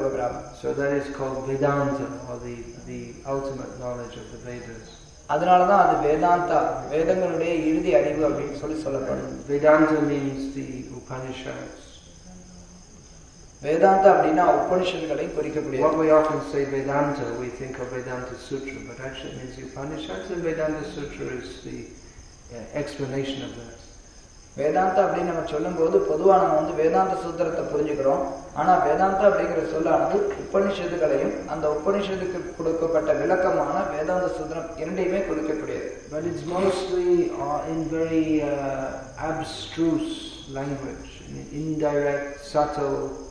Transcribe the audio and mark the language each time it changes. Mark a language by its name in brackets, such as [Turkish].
[Tamil] கொடுக்குறாங்க. அதனாலதான் அது வேதாந்தா, வேதங்களுடைய இறுதி அறிவு அப்படின்னு சொல்லி சொல்லப்படும். Vedanta அப்படினா உபநிஷத்களை குறிக்கக்கூடிய. [English] What we often say Vedanta, we think of Vedanta Sutra, but actually means Upanishads, and Vedanta Sutra is the explanation of that. [Tamil] Vedanta அப்படினா நாம சொல்லும்போது பொதுவா நாம வந்து வேதாந்த சூத்திரத்தை புரிஞ்சுக்கிறோம். ஆனா வேதாந்தா அப்படிங்கிற சொல்லானது உபநிஷத்களையும் அந்த உபநிஷத்துக்கு கொடுக்கப்பட்ட விளக்கமான வேதாந்த சூத்திரம் இரண்டையுமே குறிக்கக்கூடியது. [English] But it's mostly in very abstruse language, in indirect, subtle.